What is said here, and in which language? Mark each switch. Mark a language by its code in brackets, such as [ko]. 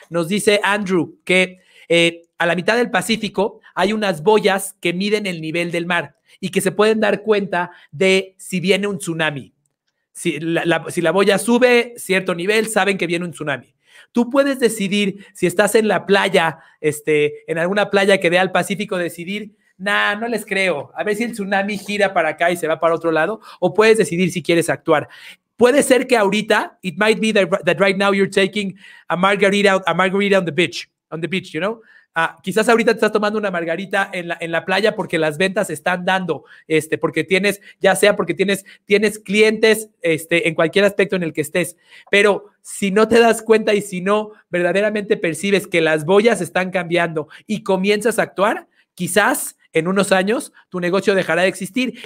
[es] Nos dice Andrew que a la mitad del Pacífico hay unas boyas que miden el nivel del mar y que se pueden dar cuenta de si viene un tsunami. Si la boya sube cierto nivel, saben que viene un tsunami. Tú puedes decidir si estás en la playa, en alguna playa que dé al Pacífico, decidir, nah, no les creo. A ver si el tsunami gira para acá y se va para otro lado. O puedes decidir si quieres actuar. Puede ser que ahorita, [en] it might be that right now you're taking a margarita on the beach, you know? [es] Quizás ahorita te estás tomando una margarita en la playa porque las ventas están dando, porque tienes, ya sea porque tienes clientes, en cualquier aspecto en el que estés. Pero si no te das cuenta y si no verdaderamente percibes que las boyas están cambiando y comienzas a actuar, quizás en unos años tu negocio dejará de existir.